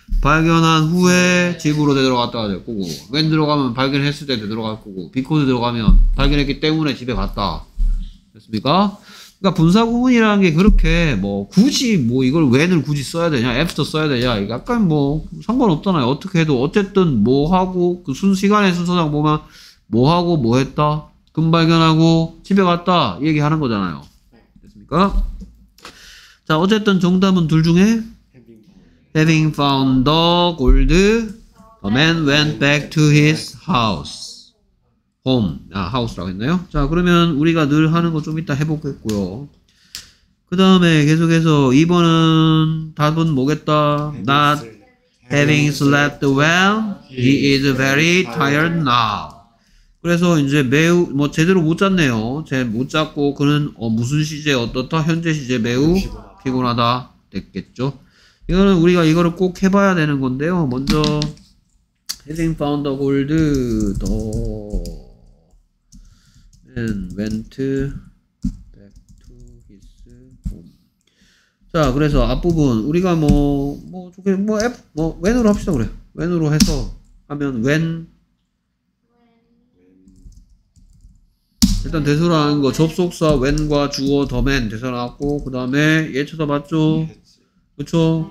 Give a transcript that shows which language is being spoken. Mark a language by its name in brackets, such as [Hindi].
[Korean] 발견한 후에 집으로 되돌아갔다가 될 거고, when 들어가면 발견했을 때 되돌아갈 거고, because 들어가면 발견했기 때문에 집에 갔다. 됐습니까? 그러니까 분사 구문이라는 게 그렇게 뭐, 굳이 뭐, 이걸 when을 굳이 써야 되냐, after 써야 되냐, 약간 뭐, 상관없잖아요. 어떻게 해도, 어쨌든 뭐 하고, 그 순시간의 순서상 보면, 뭐 하고, 뭐 했다? 금 발견하고, 집에 갔다. 얘기하는 거잖아요. 됐습니까? 자, 어쨌든 정답은 둘 중에 [English] having found the gold, the man went back to his house, home. [Korean] 아, house라고 했나요? 자, 그러면 우리가 늘 하는 거 좀 이따 해보겠고요. 그 다음에 계속해서 2번은 답은 뭐겠다? [English] Not having slept well, he is very tired now. [Korean] 그래서 이제 매우 뭐 제대로 못 잤네요. 제 못 잤고 그는 어, 무슨 시제 어떻다? 현재 시제 매우 피곤하다 됐겠죠. 이거는 우리가 이거를 꼭 해봐야 되는 건데요. 먼저 [English] having found the gold, the man went back to his home. [Korean] 자, 그래서 앞부분 우리가 뭐 좋게 뭐 F 뭐 when으로 합시다. 그래, when으로 해서 하면 when 일단 되살아난 거 접속사 when과 주어 the man 되살아났고, 그 다음에 얘 쳐다봤죠. 그쵸?